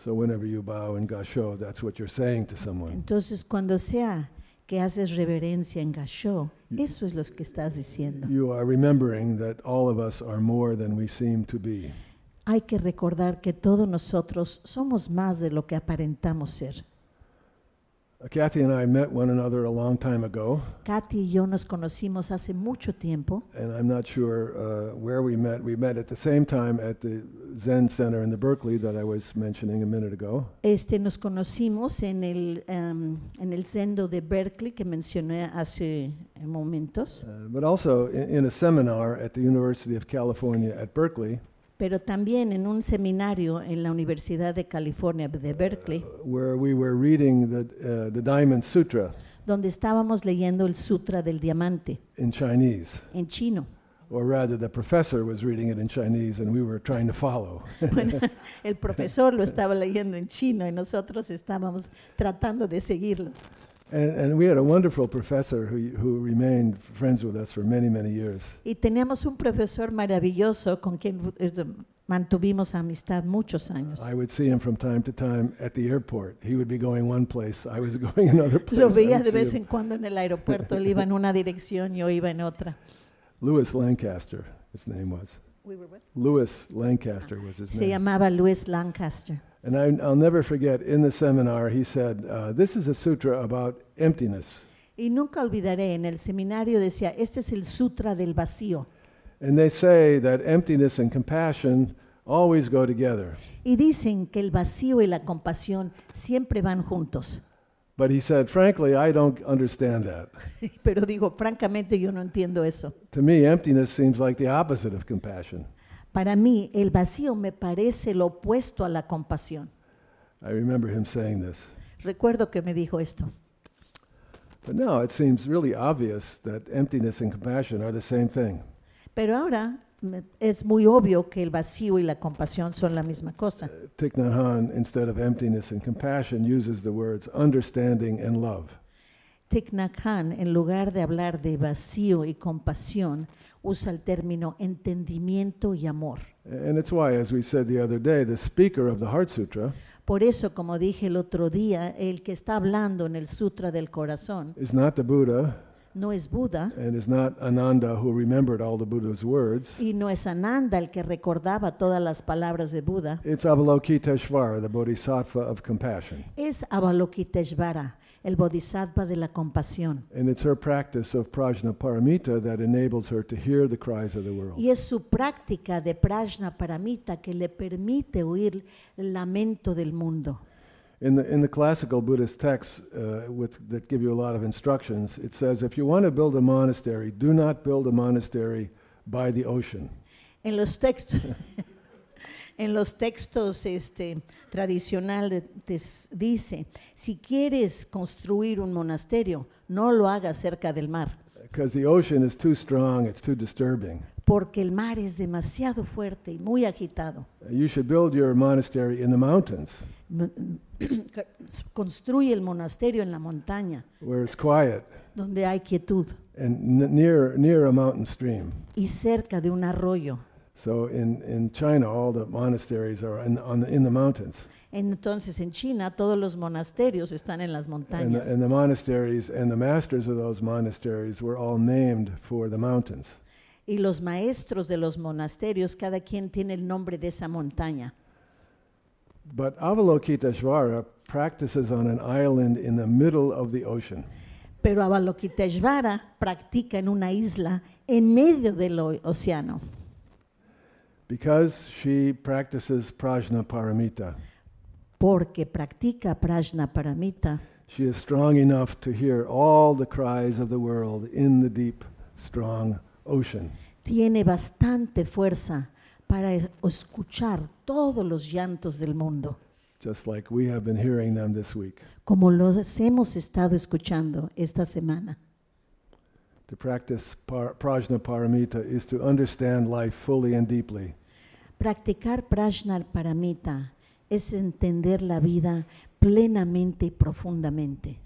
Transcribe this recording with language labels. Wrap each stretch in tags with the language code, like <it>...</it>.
<en>So whenever you bow in Gassho, that's what you're saying to someone.</en> <es>Entonces cuando sea que haces reverencia en Gassho, eso es lo que estás diciendo.</es> <en>You are remembering that all of us are more than we seem to be.</en> <es>Hay que recordar que todos nosotros somos más de lo que aparentamos ser.</es> <en>Kathy and I met one another a long time ago.</en> <es>Kathy y yo nos conocimos hace mucho tiempo.</es> <en>And I'm not sure where we met. We met at the same time at the Zen Center in the Berkeley that I was mentioning a minute ago.</en> <es>Nos conocimos en el Zendo de Berkeley que mencioné hace momentos.</es> <en>But also in a seminar at the University of California at Berkeley.</en> <es>Pero también en un seminario en la Universidad de California de Berkeley,</es> <en>where we were reading the Diamond Sutra,</en> <es>donde estábamos leyendo el Sutra del Diamante</es> <en>in Chinese,</en> <es>en chino,</es> <en>or rather the professor was reading it in Chinese and we were trying to follow.</en> <es>Bueno, el profesor lo estaba leyendo en chino y nosotros estábamos tratando de seguirlo.</es> <en>And we had a wonderful professor who remained friends with us for many, many years.</en> <es>Y teníamos un profesor maravilloso con quien mantuvimos amistad muchos años.</es> <en>I would see him from time to time at the airport. He would be going one place, I was going another place.</en> <es>Lo veía de vez en cuando en el aeropuerto. Él iba en una dirección, yo iba en otra.</es> <en>Louis Lancaster, his name was. We were with? Louis Lancaster was his</en> <es>Se</es> <en>name.</en> <es>Se llamaba Louis Lancaster.</es> <en>And I'll never forget, in the seminar, he said, this is a sutra about emptiness.</en> <es>Y nunca olvidaré, en el seminario decía, este es el sutra del vacío.</es> <en>And they say that emptiness and compassion always go together.</en> <es>Y dicen que el vacío y la compasión siempre van juntos.</es> <en>But he said, frankly, I don't understand that.</en> <es>Pero digo, francamente, yo no entiendo eso.</es> <en>To me, emptiness seems like the opposite of compassion.</en> <es>Para mí, el vacío me parece lo opuesto a la compasión.</es> <en>I remember him saying this.</en> <es>Recuerdo que me dijo esto.</es> <en>But now it seems really obvious that emptiness and compassion are the same thing.</en> <es>Pero ahora es muy obvio que el vacío y la compasión son la misma cosa.</es> <en>Thich Nhat Hanh, instead of emptiness and compassion, uses the words understanding and love.</en> <es>Thich Nhat Hanh, en lugar de hablar de vacío y compasión, usa el término entendimiento y amor.</es> <en>And it's why, as we said the other day, the speaker of the Heart Sutra.</en> <es>Por eso, como dije el otro día, el que está hablando en el Sutra del Corazón.</es> <en>Is not the Buddha.</en> <es>No es Buda.</es> <en>And is not Ananda, who remembered all the Buddha's words.</en> <es>Y no es Ananda el que recordaba todas las palabras de Buda.</es> <en>It's Avalokiteshvara, the Bodhisattva of compassion.</en> <es>Es Avalokiteshvara, el Bodhisattva de la compasión.</es> <en>And it's her practice of Prajnaparamita that enables her to hear the cries of the world.</en> <es>Y es su práctica de Prajnaparamita que le permite oír el lamento del mundo.</es> <en>In the classical Buddhist texts that give you a lot of instructions, it says, if you want to build a monastery, do not build a monastery by the ocean.</en> <es>En los textos, en los textos tradicionales dice, si quieres construir un monasterio, no lo hagas cerca del mar.</es> <en>Because the ocean is too strong, it's too disturbing.</en> <es>Porque el mar es demasiado fuerte y muy agitado.</es> <en>You should build your monastery in the mountains.</en> <es>Construye el monasterio en la montaña.</es> <en>Where it's quiet.</en> <es>Donde hay quietud.</es> <en>And near a mountain stream.</en> <es>Y cerca de un arroyo.</es> <en>So in China, all the monasteries are in the mountains.</en> <es>Entonces en China todos los monasterios están en las montañas.</es> <en>And the monasteries and the masters of those monasteries were all named for the mountains.</en> <es>Y los maestros de los monasterios, cada quien tiene el nombre de esa montaña.</es> <en>But Avalokiteshvara practices on an island in the middle of the ocean.</en> <es>Pero Avalokiteshvara practica en una isla en medio del océano.</es> <en>Because she practices Prajnaparamita.</en> <es>Porque practica Prajnaparamita.</es> <en>She is strong enough to hear all the cries of the world in the deep, strong ocean.</en> <es>Tiene bastante fuerza para escuchar todos los llantos del mundo.</es> <en>Just like we have been hearing them this week.</en> <es>Como los hemos estado escuchando esta semana.</es> <en>To practice Prajnaparamita is to understand life fully and deeply.</en> <es>Practicar Prajnaparamita es entender la vida plenamente y profundamente.</es>